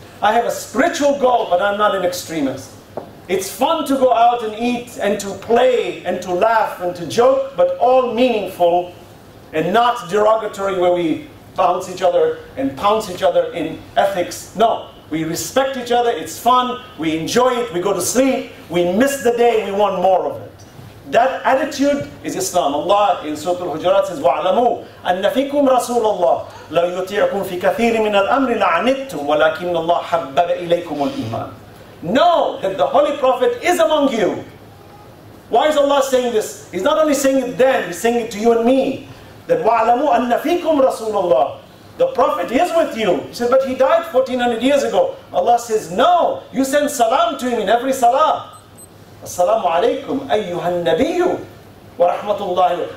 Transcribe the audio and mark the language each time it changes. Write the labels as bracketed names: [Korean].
[English] I have a spiritual goal, but I'm not an extremist. It's fun to go out and eat and to play and to laugh and to joke, but all meaningful and not derogatory, where we bounce each other and pounce each other in ethics. No, we respect each other, it's fun, we enjoy it, we go to sleep, we miss the day, we want more of it. That attitude is Islam. Allah in Surah Al-Hujurat says, [Arabic] وَعْلَمُوا أَنَّ فِيكُمْ رَسُولَ اللَّهِ لَوْ يُطِيعُكُمْ فِي كَثِيرٍ مِنَ الْأَمْرِ لَعَنِدْتُمْ وَلَكِنَّ اللَّهَ حَبَّبَ إِلَيْكُمُ الْإِيمَانِ [English] Know that the Holy Prophet is among you. Why is Allah saying this? He's not only saying it then, he's saying it to you and me. That [Arabic] وَعْلَمُوا أَنَّ فِيكُمْ رَسُولَ اللَّهِ [English] The Prophet is with you. He said, but he died 1400 years ago. Allah says, no, you send salam to him in every salah. [Arabic] Assalamu alaikum ayyuhan nabiyyu wa rahmatullahi.